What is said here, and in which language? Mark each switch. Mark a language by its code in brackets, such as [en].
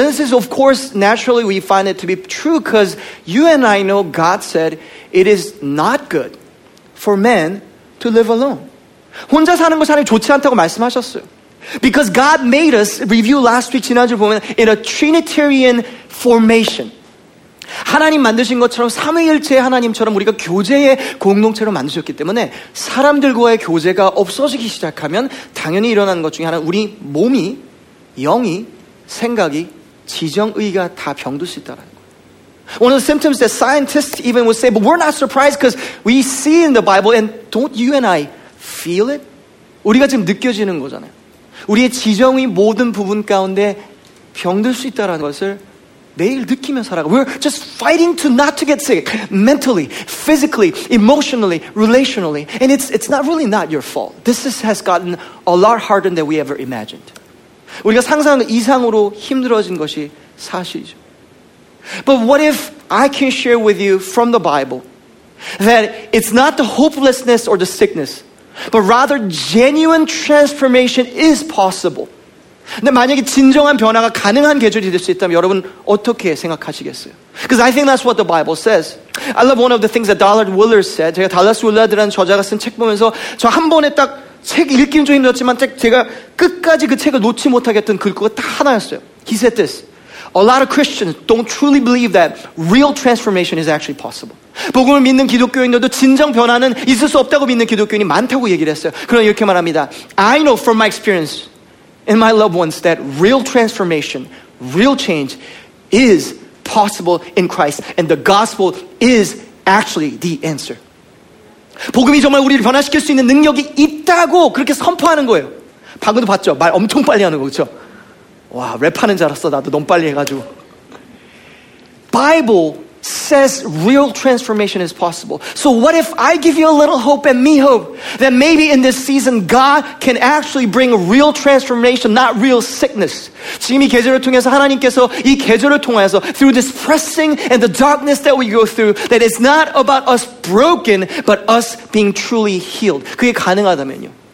[en] This is of course naturally we find it to be true because you and I know God said it is not good for man to live alone. [ko] 혼자 사는 것이 하나님 좋지 않다고 말씀하셨어요. [en] Because God made us, review last week, [ko] 지난주 보면 [en] in a Trinitarian formation. [ko] 하나님 만드신 것처럼 삼위일체 하나님처럼 우리가 교제의 공동체로 만드셨기 때문에 사람들과의 교제가 없어지기 시작하면 당연히 일어나는 것 중에 하나는 우리 몸이, 영이, 생각이, 지정의가 다 병들 수 있다는 거예요. [en] One of the symptoms that scientists even would say, but we're not surprised because we see in the Bible, and don't you and I feel it? [ko] 우리가 지금 느껴지는 거잖아요. 우리의 지정이 모든 부분 가운데 병들 수 있다는 것을 내일 느끼며 살아가. [en] We're just fighting to not to get sick mentally, physically, emotionally, relationally. And it's not really not your fault. This is, has gotten a lot harder than we ever imagined. [ko] 우리가 상상 이상으로 힘들어진 것이 사실이죠. [en] But what if I can share with you from the Bible that it's not the hopelessness or the sickness, but rather genuine transformation is possible. [ko] 근데 만약에 진정한 변화가 가능한 계절이 될 수 있다면 여러분 어떻게 생각하시겠어요? [en] Because I think that's what the Bible says. I love one of the things that Dallas Willard said. [ko] 제가 달라스 윌러드라는 저자가 쓴 책 보면서 저 한 번에 딱 책 읽기는 좀 힘들었지만 제가 끝까지 그 책을 놓지 못하겠던 글귀가 딱 하나였어요. [en] He said this. A lot of Christians don't truly believe that real transformation is actually possible. [ko] 복음을 믿는 기독교인들도 진정 변화는 있을 수 없다고 믿는 기독교인이 많다고 얘기를 했어요. 그럼 이렇게 말합니다. [en] I know from my experience and my loved ones that real transformation, real change is possible in Christ. And the gospel is actually the answer. [ko] 복음이 정말 우리를 변화시킬 수 있는 능력이 있다고 그렇게 선포하는 거예요. 방금도 봤죠? 말 엄청 빨리 하는 거 그렇죠? 와, 랩하는 줄 알았어. 나도 너무 빨리 해가지고. [en] Bible says real transformation is possible. So what if I give you a little hope and me hope that maybe in this season God can actually bring real transformation, not real sickness. [ko] 지금 이 계절을 통해서 [en] 하나님께서 이 계절을 통해서 through this pressing and the darkness that we go through that it's not about us broken but us being truly healed. [ko] 그게 가능하다면요.